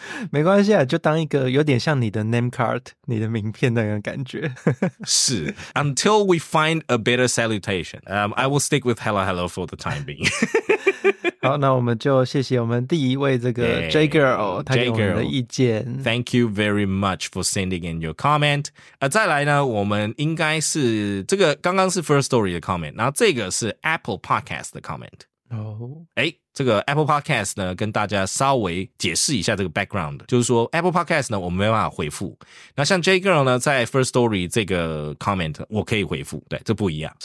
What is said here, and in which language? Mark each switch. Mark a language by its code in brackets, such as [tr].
[zh] 没关系啊，就当一个有点像你的 name card 你的名片那样的感觉 [en] 是 until we find a better salutation I will stick with hello hello for the time being [zh] 好，那我们就谢谢我们第一位这个 J girl 她给我们的意见。 [en] Thank you very much for sending in your comment。 [zh] 再来呢，我们应该是这个刚刚是 First Story 的 comment， 然后这个是 Apple Podcast 的 comment。哦，哎，这个 Apple Podcast 呢，跟大家稍微解释一下这个 background， 就是说 Apple Podcast 呢，我们没办法回复。那像 J girl 呢，在 First Story 这个 comment， 我可以回复，对，这不一样。